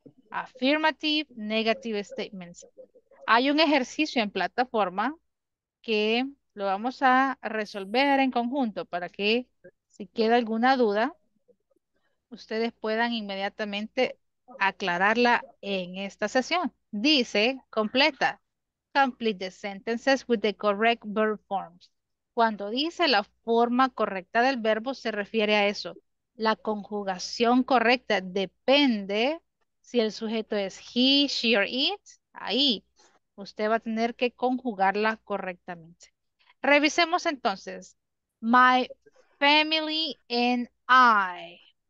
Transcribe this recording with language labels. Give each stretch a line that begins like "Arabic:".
English: Affirmative, negative statements.
Spanish: Hay un ejercicio en plataforma que lo vamos a resolver en conjunto para que si queda alguna duda, ustedes puedan inmediatamente aclararla en esta sesión. Dice, completa.
English: Complete the sentences with the correct verb forms.
Spanish: Cuando dice la forma correcta del verbo, se refiere a eso. La conjugación correcta depende si el sujeto es he, she, or it. Ahí, usted va a tener que conjugarla correctamente. Revisemos entonces.
English: My family and I.